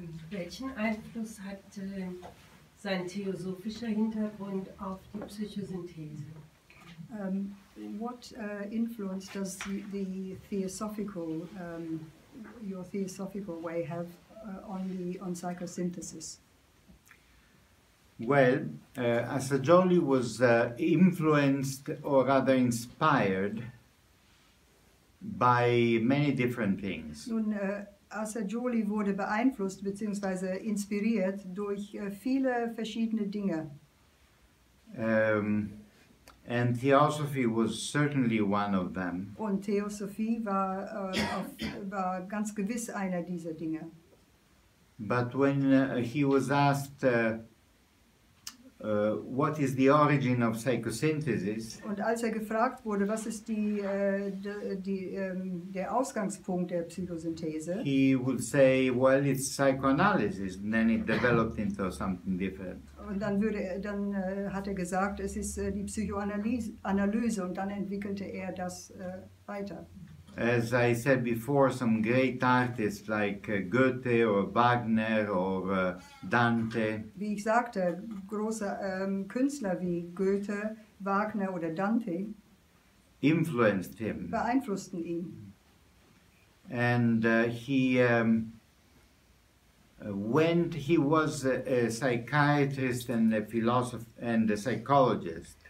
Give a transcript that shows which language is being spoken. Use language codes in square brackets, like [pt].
[de] Welchen Einfluss hatte sein theosophischer Hintergrund auf die Psychosynthese? [en] What influence does the theosophical your theosophical way have on psychosynthesis? Well, Assagioli was influenced, or rather inspired, by many different things. [de] Nun, Assagioli wurde beeinflusst bzw. inspiriert durch viele verschiedene Dinge. [en] And Theosophy was certainly one of them. [de] Und Theosophie war, war ganz gewiss einer dieser Dinge. [en] But when he was asked, what is the origin of psychosynthesis? [de] Und als gefragt wurde, was ist der Ausgangspunkt der Psychosynthese? [en] He would say, well, it's psychoanalysis, and then it developed into something different. [de] Und dann hat gesagt, es ist die Psychoanalyse, und dann entwickelte das weiter. [en] as I said before, some great artists like Goethe or Wagner or Dante. [de] Wie ich sagte, große Künstler wie Goethe, Wagner oder Dante [en] influenced him. [de] Beeinflussten ihn. [en] And he was a psychiatrist and a philosopher and a psychologist.